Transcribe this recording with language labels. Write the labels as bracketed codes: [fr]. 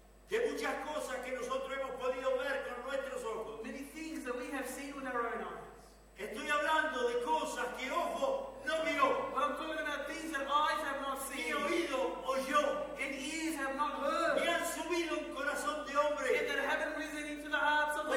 [es] De muchas cosas que nosotros hemos podido ver con nuestros ojos. [en] Many things that we have seen with our own eyes. [es] Estoy hablando de cosas que ojo no vio. [en] I'm talking about things that eyes have not seen. [es] Ni oído oyó. [en] And ears have not heard. [es] Ni han subido un corazón de hombre. [en] And that haven't risen into the hearts of men.